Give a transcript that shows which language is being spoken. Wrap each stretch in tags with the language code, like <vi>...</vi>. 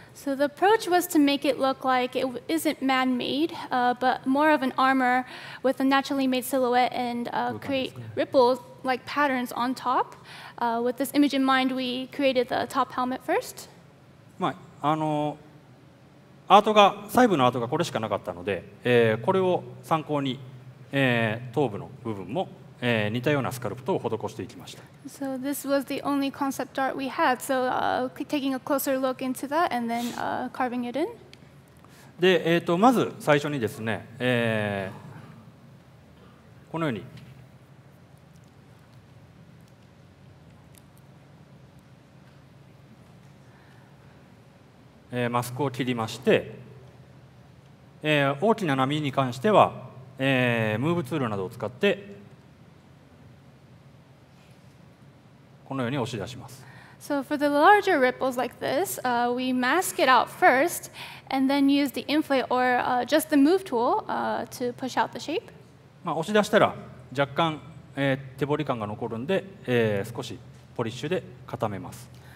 <en>So the approach was to make it look like it isn't man-made, but more of an armor with a naturally made silhouette and create ripples like patterns on top. With this image in mind, we created the top helmet first.</en> <ja>まあ、あの、アートが、細部のアートがこれしかなかったので、これを参考に、頭部の部分も、似たようなスカルプトを施していきました。</ja> <en>So this was the only concept art we had. So taking a closer look into that and then carving it in.</en> <ja>で、まず最初にですね、このように マスクを切りまして、大きな波に関しては、ムーブツールなどを使って。このように押し出します。</ja> <en>So for the larger ripples like this, we mask it out first and then use the inflate or just the move tool to push out the shape.</en> <ja>まあ押し出したら若干、手彫り感が残るんで、少しポリッシュで固めます。</ja>